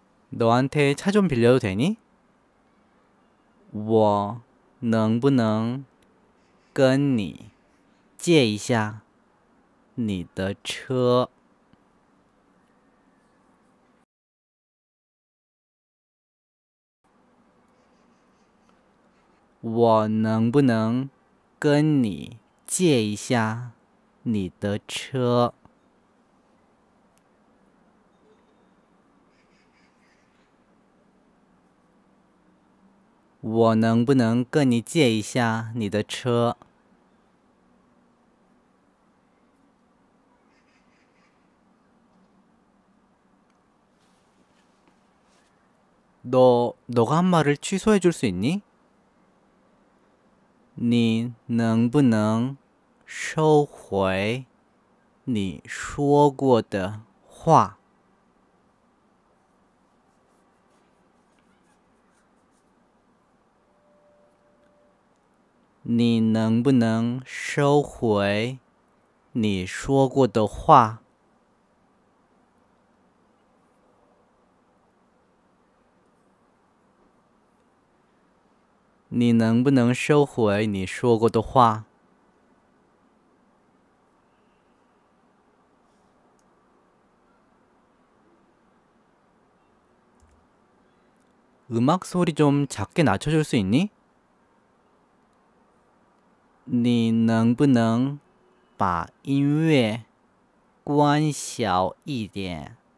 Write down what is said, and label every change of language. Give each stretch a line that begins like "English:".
Korean: 너한테 차좀 빌려도 되니?
Chinese: 我能不能跟你借一下你的车？我能不能跟你借一下你的车？我能不能跟你借一下你的车？
Korean: 너가 한 말을 취소해 줄수 있니?
Chinese: 你能不能收回你说过的话？你能不能收回你说过的话？你能不能收回你说过的话？
Korean: 음악 소리 좀 작게 낮춰줄 수 있니?
Chinese: 你能不能把音乐关小一点？